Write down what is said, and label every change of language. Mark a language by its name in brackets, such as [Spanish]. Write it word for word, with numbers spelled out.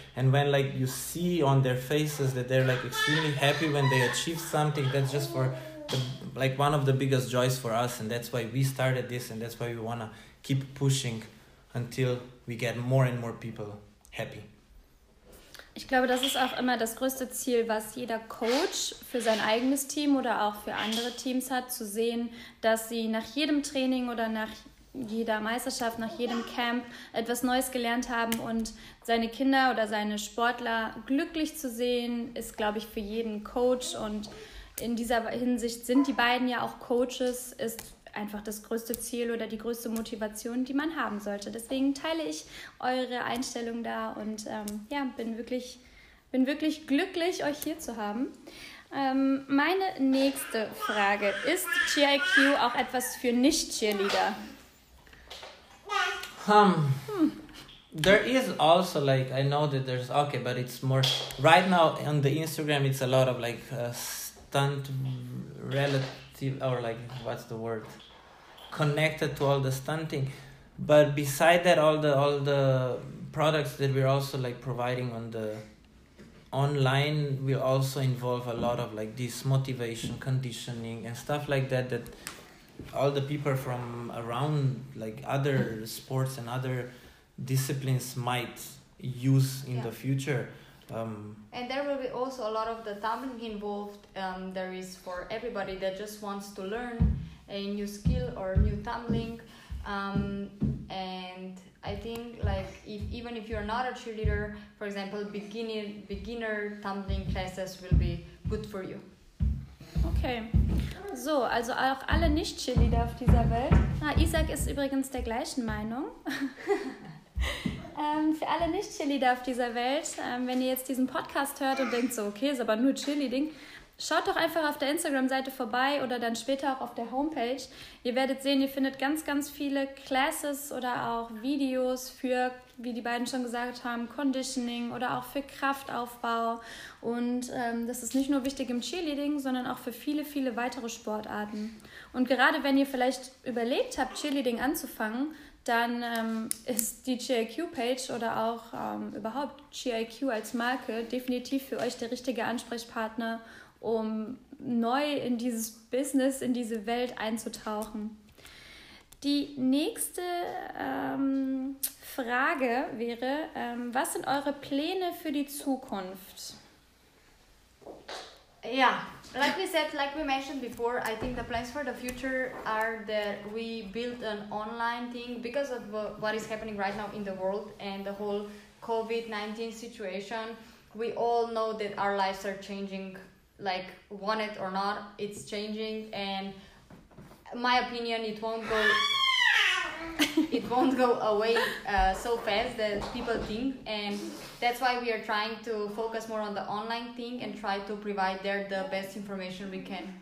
[English] And when like you see on their faces that they're like extremely happy when they achieve something, that's just for the, like one of the biggest joys for us. And that's why we started this, and that's why we want to keep pushing until we get more and more people happy. [German] Ich glaube, das ist auch immer das größte Ziel, was jeder Coach für sein eigenes Team oder auch für andere Teams hat, zu sehen, dass sie nach jedem Training oder nach jeder Meisterschaft, nach jedem Camp etwas Neues gelernt haben, und seine Kinder oder seine Sportler glücklich zu sehen, ist, glaube ich, für jeden Coach, und in dieser Hinsicht sind die beiden ja auch Coaches, ist einfach das größte Ziel oder die größte Motivation, die man haben sollte. Deswegen teile ich eure Einstellung da und ähm, ja, bin wirklich, bin wirklich glücklich, euch hier zu haben. Ähm, meine nächste Frage: Ist Cheer I Q auch etwas für Nicht-Cheerleader? [English] Um, there is also like, I know that there's, okay, but it's more, right now on the Instagram, it's a lot of like uh, stunt relative, or like, what's the word? Connected to all the stunting. But beside that, all the, all the products that we're also like providing on the online will also involve a lot of like this motivation, conditioning and stuff like that, that all the people from around like other sports and other disciplines might use in yeah. the future. Um, and there will be also a lot of the tumbling involved. Um, there is for everybody that just wants to learn a new skill or new tumbling. Um, and I think like if even if you're not a cheerleader, for example, beginner beginner tumbling classes will be good for you. [German] Okay, so, also auch alle Nicht-Cheerleader auf dieser Welt. Ah, Isaac ist übrigens der gleichen Meinung. ähm, für alle Nicht-Cheerleader auf dieser Welt, ähm, wenn ihr jetzt diesen Podcast hört und denkt so, okay, ist aber nur Cheerleading, schaut doch einfach auf der Instagram-Seite vorbei oder dann später auch auf der Homepage. Ihr werdet sehen, ihr findet ganz, ganz viele Classes oder auch Videos für, wie die beiden schon gesagt haben, Conditioning oder auch für Kraftaufbau. Und ähm, das ist nicht nur wichtig im Cheerleading, sondern auch für viele, viele weitere Sportarten. Und gerade wenn ihr vielleicht überlegt habt, Cheerleading anzufangen, dann ähm, ist die Cheer I Q-Page oder auch ähm, überhaupt Cheer I Q als Marke definitiv für euch der richtige Ansprechpartner, um neu in dieses Business, in diese Welt einzutauchen. Die nächste ähm, Frage wäre, ähm, was sind eure Pläne für die Zukunft? [English] Yeah, like we said, like we mentioned before, I think the plans for the future are that we build an online thing because of what is happening right now in the world and the whole covid nineteen situation. We all know that our lives are changing, like want it or not, it's changing, and my opinion, it won't go it won't go away uh, so fast that people think, and that's why we are trying to focus more on the online thing and try to provide there the best information we can.